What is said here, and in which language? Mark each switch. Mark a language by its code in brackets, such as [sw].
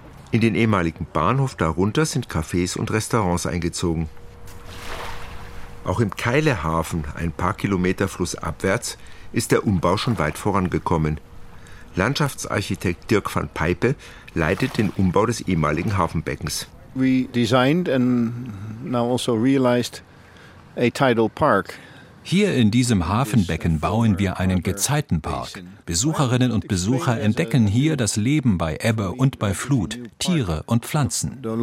[de] In den ehemaligen Bahnhof darunter sind Cafés und Restaurants eingezogen. Auch im Keilehafen, ein paar Kilometer flussabwärts, ist der Umbau schon weit vorangekommen. Landschaftsarchitekt Dirk van Peipe leitet den Umbau des ehemaligen Hafenbeckens. [en] We designed and now also realized a tidal park. [de] Hier in diesem Hafenbecken bauen wir einen Gezeitenpark. Besucherinnen und Besucher entdecken hier das Leben bei Ebbe und bei Flut, Tiere und Pflanzen.